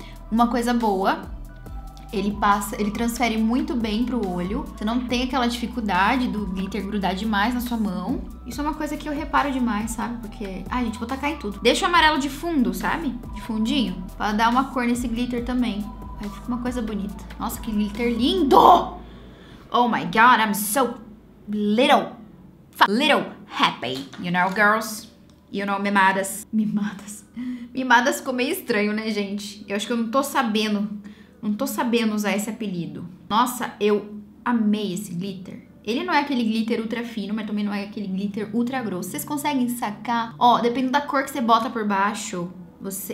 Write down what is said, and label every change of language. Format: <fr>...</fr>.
<pt>Uma coisa boa... Ele passa, ele transfere muito bem pro olho. Você não tem aquela dificuldade do glitter grudar demais na sua mão. Isso é uma coisa que eu reparo demais, sabe? Porque... Ai, gente, vou tacar em tudo. Deixa o amarelo de fundo, sabe? De fundinho. Pra dar uma cor nesse glitter também. Aí fica uma coisa bonita. Nossa, que glitter lindo!</pt> <en>Oh my God, I'm so little happy. You know, girls? You know,</en> <pt>mimadas. Mimadas. Mimadas ficou meio estranho, né, gente? Eu acho que eu não tô sabendo... Não tô sabendo usar esse apelido. Nossa, eu amei esse glitter. Ele não é aquele glitter ultra fino, mas também não é aquele glitter ultra grosso. Vocês conseguem sacar? Ó, dependendo da cor que você bota por baixo, você...</pt>